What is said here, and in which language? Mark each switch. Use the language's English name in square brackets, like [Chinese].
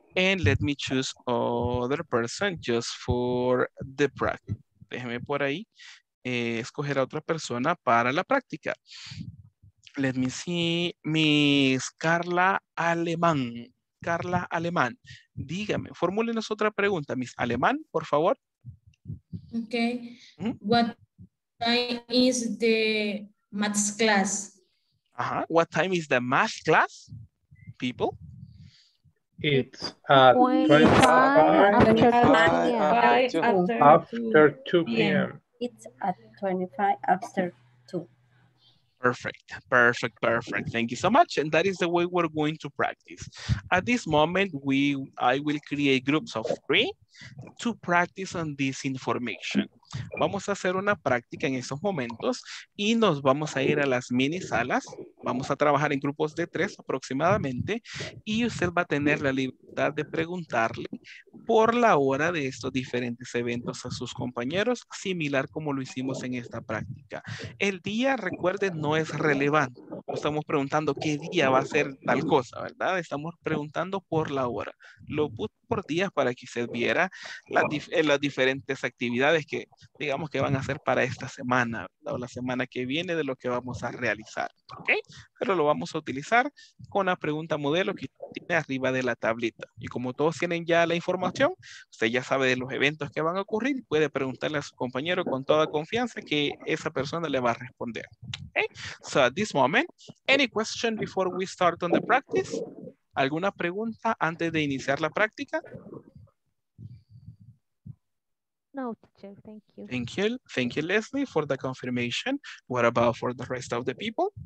[English] And let me choose other person just for the practice. [Spanish] Déjeme por ahí escoger a otra persona para la práctica. [English] Let me see, Miss Carla Alemán. [Spanish] Carla Alemán, dígame, formúlenos otra pregunta, Miss Alemán, por favor. [English] Ok. What time is the math class? What time is the math class, people? It's at 25 after 2 p.m. It's at 25 after 2. Perfect, perfect, perfect. Thank you so much. And that is the way we're going to practice. At this moment, I will create groups of three to practice on this information. [Spanish] Vamos a hacer una práctica en esos momentos y nos vamos a ir a las mini salas. Vamos a trabajar en grupos de tres aproximadamente y usted va a tener la libertad de preguntarle por la hora de estos diferentes eventos a sus compañeros, similar como lo hicimos en esta práctica. El día, recuerde, no es relevante. No estamos preguntando qué día va a ser tal cosa, ¿verdad? Estamos preguntando por la hora. Lo puse por días para que usted viera las diferentes actividades que digamos que van a ser para esta semana, ¿verdad? O la semana que viene de lo que vamos a realizar, ¿ok? Pero lo vamos a utilizar con la pregunta modelo que tiene arriba de la tablita. Y como todos tienen ya la información, usted ya sabe de los eventos que van a ocurrir y puede preguntarle a su compañero con toda confianza que esa persona le va a responder. [English] Okay? So at this moment, any question before we start on the practice? [Spanish] ¿Alguna pregunta antes de iniciar la práctica? [English] No, teacher, thank you. Thank you. Thank you, Leslie, for the confirmation. What about for the rest of the people?